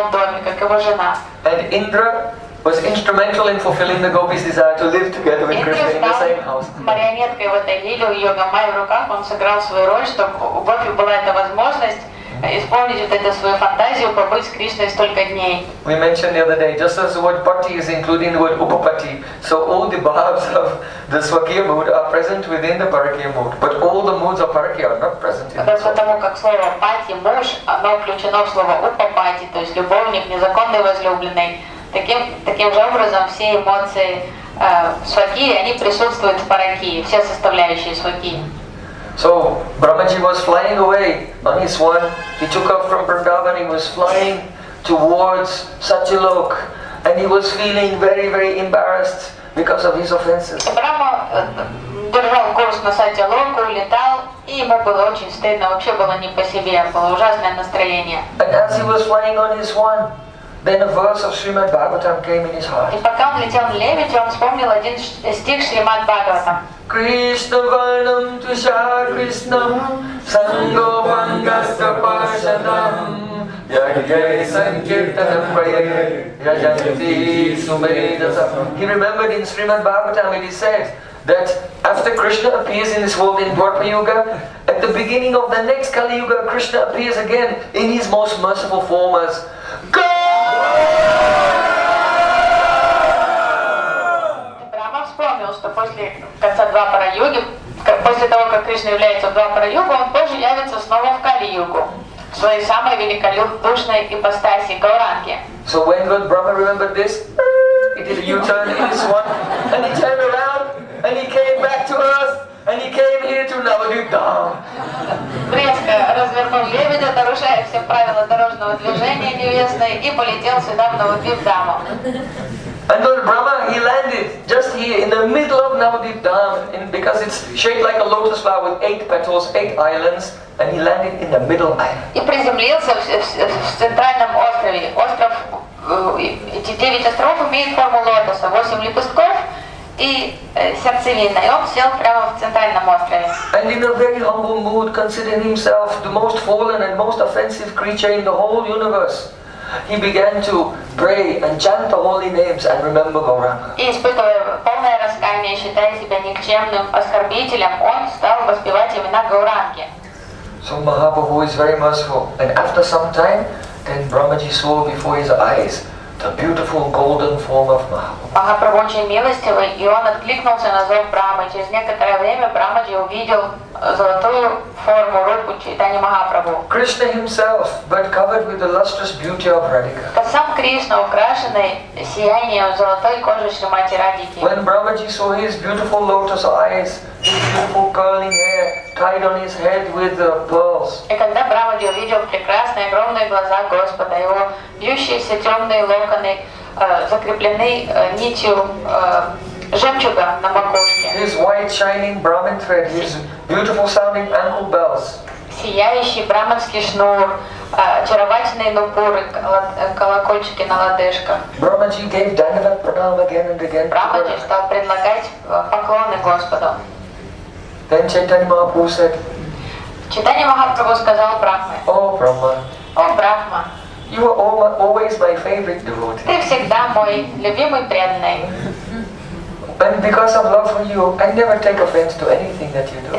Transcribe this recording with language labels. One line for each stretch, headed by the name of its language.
English: And Indra was instrumental in fulfilling the gopis' desire to live together with Krishna in the same house.
Russian: Марионеткой в этой лиле, у йога майя в руках, он сыграл свою роль, чтобы у гопи была эта возможность исполнить вот эту свою фантазию, побыть с Кришной столько дней.
English: We mentioned the other day, just as the word pati is including the word upapati, so all the bhavs of the swakya mood are present within the parakya mood, but all the moods of parakya are not present in the swakya.
Russian: Потому как слово пати, муж, оно включено в слово упапати, то есть любовник, незаконный возлюбленный. Таким же образом все эмоции сваки, они присутствуют в параки, все составляющие сваки.
English: So Brahmaji was flying away on his swan. He took off from Vrindavan, he was flying towards Satyalok, and he was feeling very, very embarrassed because of his offenses.
Russian: Брама держал курс на Сатьялок, улетал, и ему было очень стыдно, вообще было не по себе, было ужасное настроение.
English: And as he was flying on his swan, then a verse of Srimad Bhagavatam came in his heart.
Russian: И пока он летел в левите, он вспомнил один стих Шримад Бхагаватам.
Sanskrit: Krishna Varnam Tusha Krishnam Sango Vangasta Parshadam Yajay Sankirtana Prayayayayati Sumedasam.
English: He remembered in Srimad Bhagavatam it is said that after Krishna appears in this world in Dwapara Yuga, at the beginning of the next Kali Yuga, Krishna appears again in his most merciful form as
Russian: Брама вспомнил, что после конца Двапара Юги, после того, как Кришна является в Двапара Югу, он тоже явится снова в Кали Югу, в своей самой великодушной ипостаси Гауранги.
English: So when would Brahma remember this? He did a U-turn in his swan, and he turned around, and he came back to Earth, and he came here to Navadvipam.
Russian: Резко развернул лебедя, нарушая все правила дорожного движения невестное, и полетел сюда в Навадвипам.
English: And Lord Brahma, he landed just here in the middle of Navadvip Dham, because it's shaped like a lotus flower with 8 petals, 8 islands, and he landed in the middle island.
Russian: И приземлился в центральном острове. Остров, эти 9 островов имеют форму лотоса, 8 лепестков и сердцевина. И он сел прямо в центральном острове.
English: And in a very humble mood, considering himself the most fallen and most offensive creature in the whole universe, he began to pray and chant the holy names and remember Gauranga.
Russian: И испытывая полное раскаяние, считая себя никчемным оскорбителем, он стал воспевать имена Гауранги.
English: So Mahaprabhu is very merciful. And after some time, then Brahmaji saw before his eyes the beautiful golden form of Mahaprabhu.
Russian: Махапрабху очень милостивый, и он откликнулся на зов Брамы. Через некоторое время Брамаджи увидел золотую форму руку Чайтанья Махапрабху.
English: Krishna himself, but covered with the lustrous beauty of Radhika.
Russian: То сам Кришна, украшенный сиянием золотой кожи Шримати Радхики.
English: When Brahmaji saw his beautiful lotus eyes, his beautiful curling hair tied on his head with the pearls.
Russian: И когда Брахмаджи увидел прекрасные огромные глаза Господа, его вьющиеся темные локоны, закреплены нитью жемчуга на макушке.
English: His white shining Brahmin thread, his beautiful sounding ankle bells.
Russian: Сияющий брахманский шнур, очаровательные нупуры, колокольчики на лодыжках.
English: Brahmaji gave Dhanavat Pranam again and again.
Russian: Брахмаджи стал предлагать поклоны Господу.
English: Then Chaitanya Mahaprabhu said,
Russian: Chaitanya Mahaprabhu сказал Брахме,
English: О Брахма, you are always my favorite devotee.
Russian: Ты всегда мой любимый преданный.
English: And because of love for you, I never take offense to anything that you do.